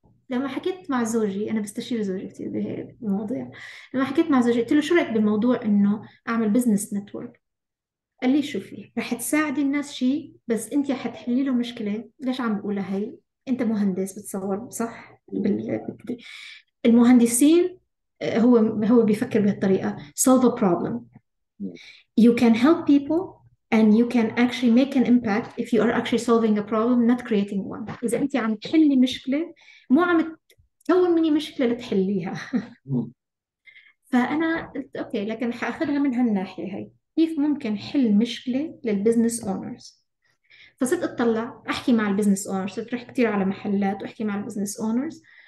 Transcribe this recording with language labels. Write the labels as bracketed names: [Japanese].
[Arabic] لما حكيت مع زوجي، أنا بستشير زوجي كتير بهي المواضيع، لما حكيت مع زوجي قلت له شو رأيك بالموضوع إنه أعمل بزنس نتورك، قال لي شوفي رح تساعدي الناس شيء، بس أنت حتحلي له مشكلة. ليش عم بقولها هي؟ أنت مهندس بتصور صح؟ المهندسين هو بيفكر بهالطريقة، [English] solve a problem. You can help people and you can actually make an impact if you are actually solving a problem, not creating one. [Arabic] إذا أنت عم تحلي مشكلة، مو عم تكون مني مشكلة لتحليها. فأنا قلت أوكي، لكن حأخذها من هالناحية هي، كيف ممكن حل مشكلة للبزنس أونرز؟ فصرت أطلع أحكي مع البزنس أونرز، صرت أروح كثير على محلات وأحكي مع البزنس أونرز.